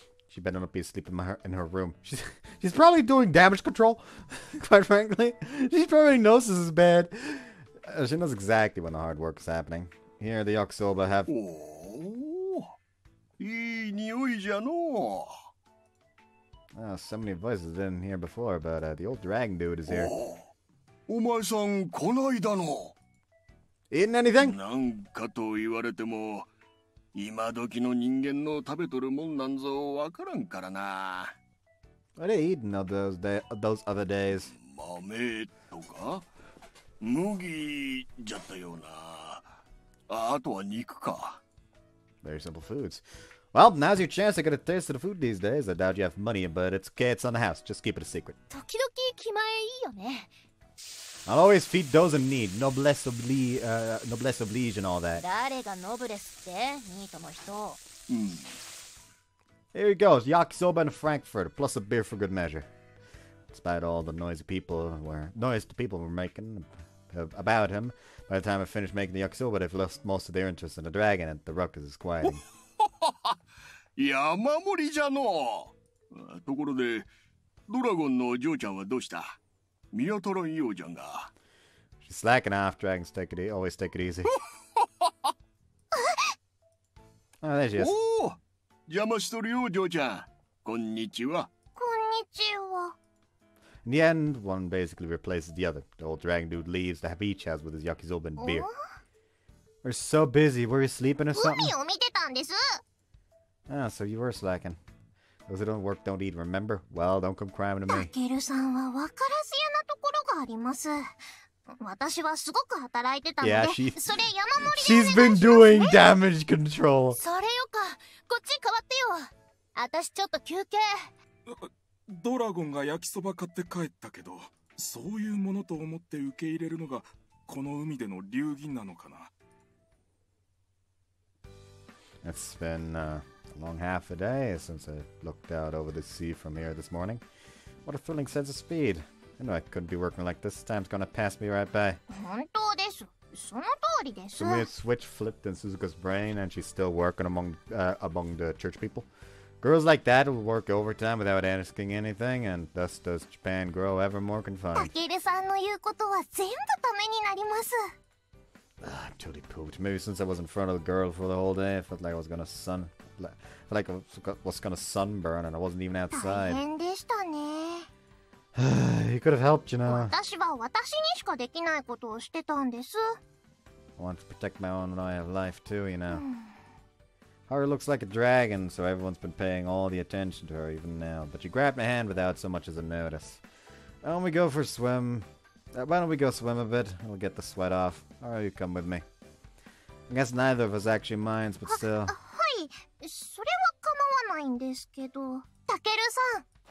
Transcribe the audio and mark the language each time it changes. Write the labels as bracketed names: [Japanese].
[English] She better not be asleep in her room. She's probably doing damage control, quite frankly. She probably knows this is bad. She knows exactly when the hard work is happening. Here, the yakisoba have... [Japanese] Oh, いい匂いじゃの。 [English] Oh, so many voices in here before, but the old dragon dude is here. [Japanese] Oh, お前さん、こないだの。 [English] Eating anything? [Japanese] なんかと言われても、今時の人間の食べとるもんなんぞわからんからな。 What are you eating of those other days? 豆とか、麦じゃったよな。あとは肉か。 [English] Very simple foods. Well, now's your chance to get a taste of the food these days. I doubt you have money, but it's okay, it's on the house. Just keep it a secret. [Japanese] 時々気前いいよね。 [English] I'll always feed those in need. Noblesse oblige and all that. [Japanese] 誰がノブレスって、ニートの人。 [English] Here it goes, yakisoba and Frankfurt, plus a beer for good measure. Despite all the noise the people were making about him, by the time I finished making the yakisoba, they've lost most of their interest in the dragon and the ruckus is quieting. [Japanese] 山盛りじゃの。ところで、ドラゴンのお嬢ちゃんはどうした？見当たらんようじゃんが。 [English] She's slacking off, dragons take it easy. Always take it easy. Oh, there she is. [Japanese] おお、邪魔しとるよ、嬢ちゃん。こんにちは。こんにちは。 [English] In the end, one basically replaces the other. The old dragon dude leaves the beach house with his yakisoba and beer. We're so busy. Were you sleeping or something? [Japanese] 海を見てたんです。 [English] Ah, so you were slacking. Those who don't work don't eat, remember? Well, don't come crying to me. [Japanese] Takeru-san は分からず屋なところがあります。私はすごく働いてたので、それ山盛りで。 [English] She's been doing damage control. [Japanese] それよか、こっち変わってよ。私ちょっと休憩。ドラゴンが焼きそば買って帰ったけど、そういうものと思って受け入れるのがこの海での流儀なのかな。 [English] It's been, long half a day since I looked out over the sea from here this morning. What a thrilling sense of speed. I knew I couldn't be working like this. Time's gonna pass me right by. [Japanese] 本当です。その通りです。 [English] So we switch flipped in Suzuka's brain and she's still working among the church people. Girls like that will work overtime without asking anything and thus does Japan grow ever more confined. [Japanese] たけるさんの言うことは全部ためになります。 [English] I'm totally pooped. Maybe since I was in front of the girl for the whole day, I felt like I was gonna sun... Like I was gonna sunburn and I wasn't even outside. [Japanese] 大変でしたね。 [English] You could have helped, you know. [Japanese] 私は私にしかできないことをしてたんです。 [English] I want to protect my own way of life too, you know. Haru looks like a dragon, so everyone's been paying all the attention to her even now. But she grabbed my hand without so much as a notice. Why don't we go for a swim? Why don't we go swim a bit? We'll get the sweat off. All right, you come with me. I guess neither of us actually minds, but still. [Japanese] はい、それは構わないんですけど、タケルさん。